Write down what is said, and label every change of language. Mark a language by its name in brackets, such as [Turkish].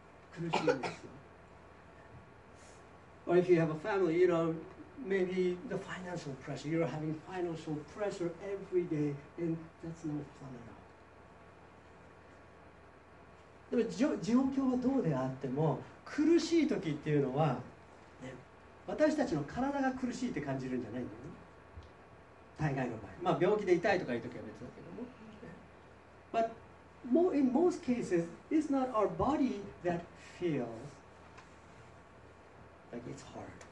[Japanese] 苦しいんですよ。 [English] Or if you have a family, you know,Maybe the financial pressure. You're having financial pressure every day, and that's no fun at all. [Japanese] でも状況はどうであっても、苦しい時っていうのは、ね、私たちの体が苦しいって感じるんじゃないんだよね。大概の場合、まあ病気で痛いとかいう時は別だけども。 [English] But more in most cases, it's not our body that feels like it's hard.